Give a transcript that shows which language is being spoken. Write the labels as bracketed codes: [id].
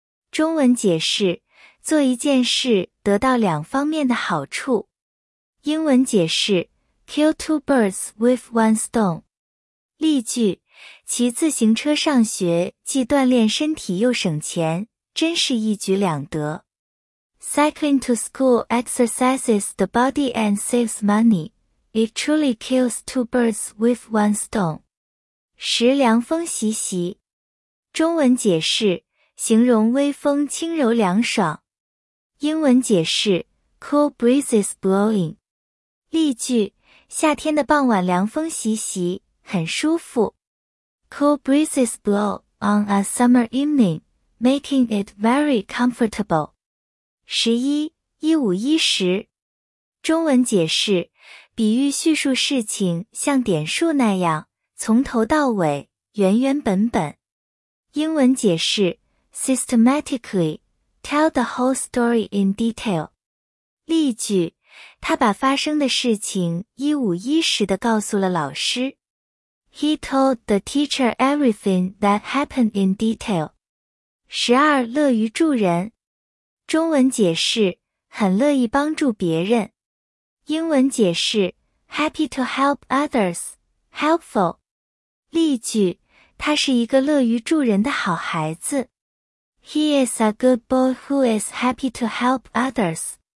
[zh] 中文解释，做一件事得到两方面的好处。英文解释， [en] kill two birds with one stone. [zh] 例句，骑自行车上学既锻炼身体又省钱，真是一举两得。 [en] Cycling to school exercises the body and saves money. It truly kills two birds with one stone. [zh] 十、凉风习习。中文解释，形容微风轻柔凉爽。英文解释， [en] cool breezes blowing. [zh] 例句，夏天的傍晚凉风习习，很舒服。 [en] Cool breezes blow on a summer evening, making it very comfortable. [zh] 十一、一五一十。中文解释，比喻叙述事情像点数那样，从头到尾，原原本本。英文解释， [en] systematically, tell the whole story in detail. [zh] 例句，他把发生的事情一五一十地告诉了老师。 [en] He told the teacher everything that happened in detail. [zh] 十二、乐于助人。中文解释，很乐意帮助别人。英文解释， [en] happy to help others, helpful. [zh] 例句，他是一个乐于助人的好孩子。 [en] He is a good boy who is happy to help others.